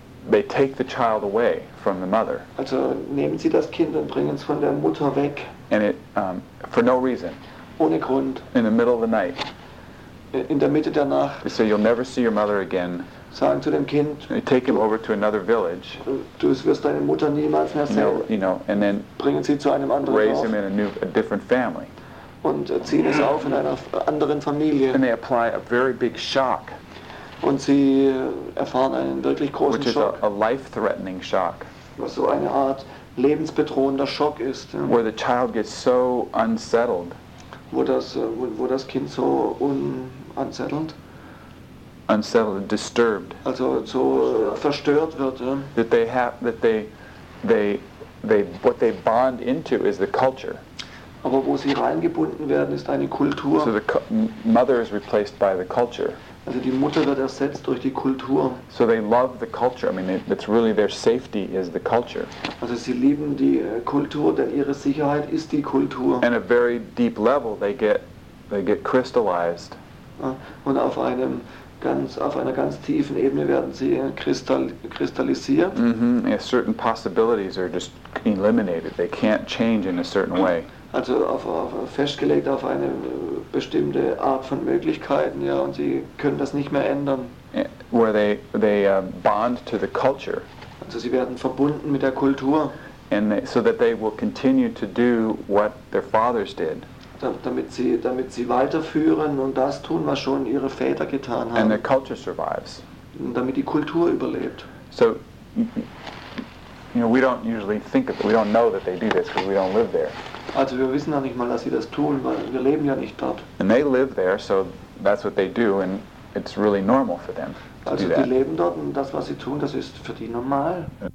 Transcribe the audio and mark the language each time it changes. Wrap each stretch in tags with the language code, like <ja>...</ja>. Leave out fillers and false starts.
<en>they take the child away from the mother.</en> <de>Also nehmen sie das Kind und bringen es von der Mutter weg.</de> <en>And for no reason.</en> <de>Ohne Grund.</de> <en>In the middle of the night.</en> <de>in der Mitte der Nacht.</de> <en>They say, you'll never see your mother again.</en> <de>Sagen zu dem Kind,</de> <en>they take him over to another village.</en> <de>Du wirst deine Mutter niemals mehr sehen.</de> <en>You know, and then</en> <de>bringen sie zu einem anderen</de> <en>raise</en> <de>Dorf.</de> <en>Him in a different family.</en> <de>Und ziehen es auf in einer anderen Familie.</de> <en>And they apply a very big shock.</en> <de>Und sie erfahren einen wirklich großen Schock.</de> <en>Which is a life-threatening shock.</en> <de>Was so eine Art lebensbedrohender Schock ist.</de> <en>Where the child gets so unsettled.</en> <de>Wo das Kind so unsettled.</de> <en>Unsettled, disturbed.</en> <de>Also so verstört wird. Ja.</de> <en>What they bond into is the culture.</en> <de>Aber wo sie reingebunden werden, ist eine Kultur.</de> <en>So the mother is replaced by the culture.</en> <de>Also die Mutter wird ersetzt durch die Kultur.</de> <en>So they love the culture. I mean, it's really their safety is the culture.</en> <de>Also sie lieben die Kultur, denn ihre Sicherheit ist die Kultur.</de> <en>And at a very deep level, they get crystallized.</en> <de>Und auf einer ganz tiefen Ebene werden sie kristallisiert.</de> <en>Mm-hmm. Yeah, certain possibilities are just eliminated. They can't change in a certain way.</en> <de>Also auf festgelegt auf eine bestimmte Art von Möglichkeiten, ja, und sie können das nicht mehr ändern.</de> <en>Where they bond to the culture.</en> <de>Also sie werden verbunden mit der Kultur.</de> <en>And so that they will continue to do what their fathers did.</en> <de>Damit sie weiterführen und das tun, was schon ihre Väter getan haben.</de> <en>And their culture survives.</en> <de>Und damit die Kultur überlebt.</de> <en>So, you know, we don't usually think of it. We don't know that they do this because we don't live there.</en> <de>Also wir wissen ja nicht mal, dass sie das tun, weil wir leben ja nicht dort.</de> <en>And they live there, so that's what they do, and it's really normal for them to</en> <de>also</de> <en>do that.</en> <de>Also die leben dort, und das, was sie tun, das ist für die normal.</de>